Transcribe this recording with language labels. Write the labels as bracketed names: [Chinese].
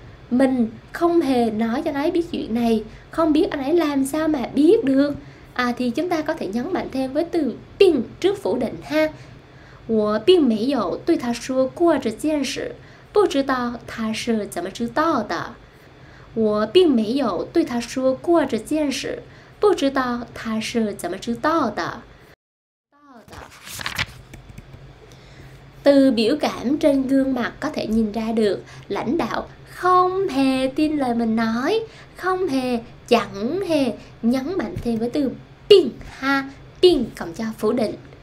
[Vietnamese] Mình không hề nói cho anh ấy biết chuyện này, không biết anh ấy làm sao mà biết được. Thì chúng ta có thể nhấn mạnh thêm với từ bình trước phủ định ha. [Chinese] 我并没有对他说过这件事，不知道他是怎么知道的。我并没有对他说过这件事，不知道他是怎么知道的。 [Vietnamese] Từ biểu cảm trên gương mặt có thể nhìn ra được lãnh đạo không hề tin lời mình nói, không hề, chẳng hề, nhấn mạnh thêm với từ bình ha, bình cộng cho phủ định.